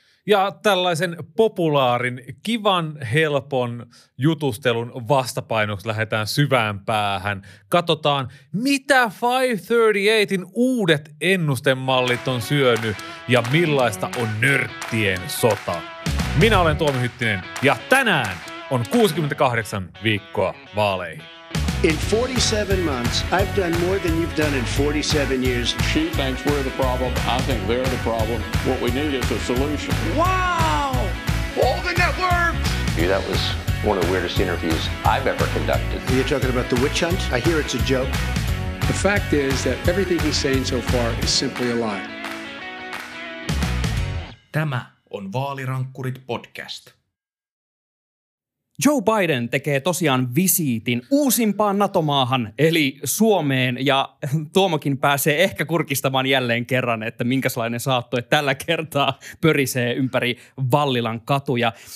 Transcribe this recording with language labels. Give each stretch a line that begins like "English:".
Finnish: Ja tällaisen populaarin, kivan, helpon jutustelun vastapainoksi lähdetään syvään päähän. Katsotaan, mitä 538:n uudet ennustemallit on syönyt ja millaista on nörttien sota. Minä olen Tuomi Hyttinen ja tänään on 68 viikkoa vaaleihin.
English: In 47 months, I've done more than you've done in 47 years. She thinks we're the problem. I think they're the problem. What we need is a solution. Wow! All the networks! Dude, that was one of the weirdest interviews I've ever conducted. Are you talking about the witch hunt? I hear it's a joke. The fact is that everything he's saying so far is simply a lie.
Finnish: Tämä on Vaalirankkurit podcast. Joe Biden tekee tosiaan visiitin uusimpaan NATO-maahan, eli Suomeen, ja Tuomokin pääsee ehkä kurkistamaan jälleen kerran, että minkälainen saattoi tällä kertaa pörisee ympäri Vallilan katuja.